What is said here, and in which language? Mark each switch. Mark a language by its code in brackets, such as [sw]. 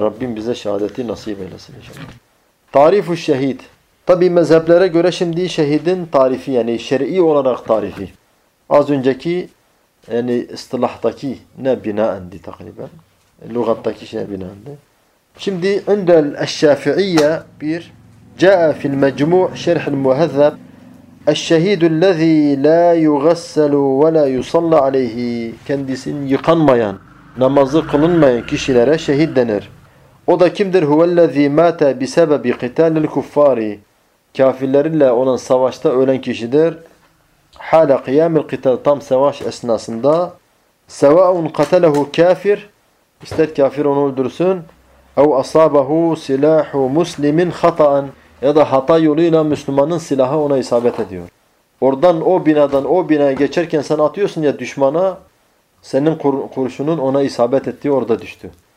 [tr] Rabbim bize şehadeti nasip eylesin inşallah. Tarifu şehit. Tabi mezheplere göre şimdi şehidin tarifi yani şer'i olarak tarifi. Az önceki yani istilahtaki ne binaendi takriben. Lugattaki şey binaendi. Şimdi indel eşşafi'iyye bir [ar] جاء في المجموع شرح المهذب الشهيد الذي لا يغسل ولا يصلى عليه [tr] كندسين يقنمayan namazı kılınmayan kişilere şehit denir. O da kimdir? [ar] هو الذي مات بسبب قتال الكفار [tr] kafirlerle olan savaşta ölen kişidir. [ar] حال قيام القتال [tr] tam savaş esnasında [ar] سواء قتله كافر [tr] ister kafir onu öldürsün [ar] او اصابه سلاح مسلم خطأ [tr] ya da hata yoluyla Müslümanın silahı ona isabet ediyor. Oradan o binadan o binaya geçerken sen atıyorsun ya düşmana senin kurşunun ona isabet ettiği orada düştü.